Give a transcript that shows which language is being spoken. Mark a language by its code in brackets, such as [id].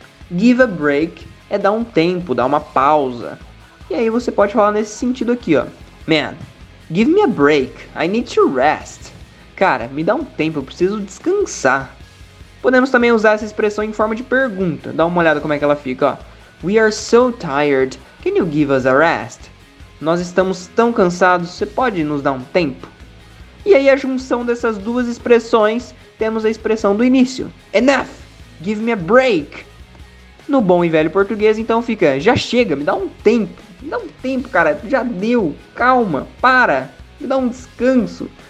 [pt] "Give a break" é dar um tempo, dar uma pausa. E aí você pode falar nesse sentido aqui, ó. [en] "Man, give me a break, I need to rest." [pt] Cara, me dá um tempo, eu preciso descansar. Podemos também usar essa expressão em forma de pergunta. Dá uma olhada como é que ela fica, ó. [en] "We are so tired, can you give us a rest?" [pt] Nós estamos tão cansados, você pode nos dar um tempo? E aí a junção dessas duas expressões, temos a expressão do início. [en] "Enough, give me a break." [pt] No bom e velho português, então fica: "Já chega, me dá um tempo. Me dá um tempo, cara, já deu. Calma, para, me dá um descanso."